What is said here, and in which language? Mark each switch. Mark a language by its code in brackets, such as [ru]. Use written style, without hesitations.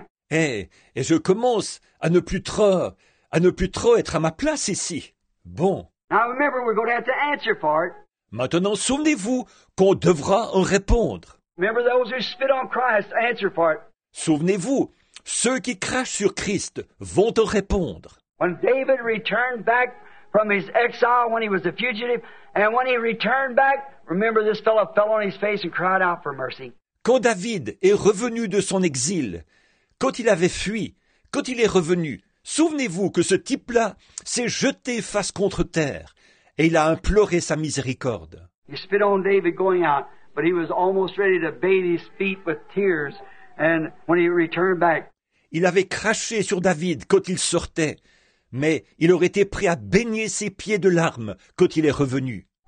[fr] Et je commence à ne plus trop être à ma place ici. Bon. [en] Now remember, we're going to have to answer for it. [fr] Maintenant, souvenez-vous qu'on devra en répondre. [en] Remember those who spit on Christ, answer for it. [fr] Souvenez-vous, ceux qui crachent sur Christ vont en répondre. [en] When David returned back from his exile, when he was a fugitive, and when he returned back, remember this fellow fell on his face and cried out for mercy. [fr] Quand David est revenu de son exil, quand il avait fui, quand il est revenu, souvenez-vous que ce type-là s'est jeté face contre terre et il a imploré sa miséricorde. [en] He spit on David going out, but he was almost ready to bathe his feet with tears. And when he returned back, [fr] il avait craché sur David quand il sortait. Mais il aurait été prêt à baigner ses pieds de larmes quand il est revenu.